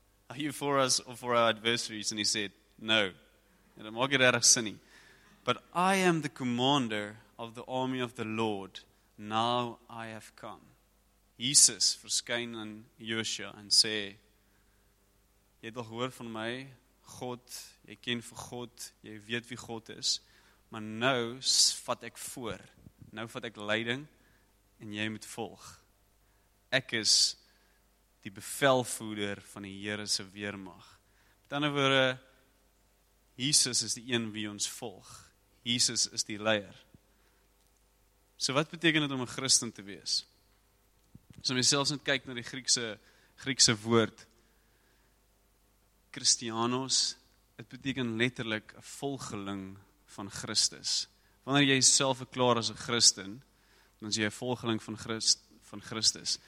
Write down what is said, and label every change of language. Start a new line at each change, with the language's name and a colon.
English: Are you for us, or for our adversaries? And he said, no.
Afrikaans: En dit maak hier erg sin nie.
English: But I am the commander of the army of the Lord, now I have come.
Afrikaans: Jesus verskyn aan Josua en sê, jy het al gehoor van my, God, jy ken vir God, jy weet wie God is, maar nou vat ek voor, nou vat ek leiding, en jy moet volg. Ek is die bevelvoerder van die Here se weermag. Met ander woorde, Jesus is die een wie ons volg. Jesus is die leier. So wat beteken dit om 'n Christen te wees? As so, jy selfs net kyk na die Griekse woord, Christianos, dit beteken letterlik 'n volgeling van Christus. Wanneer jy self verklaar as 'n Christen, dan is jy 'n volgeling van Christus.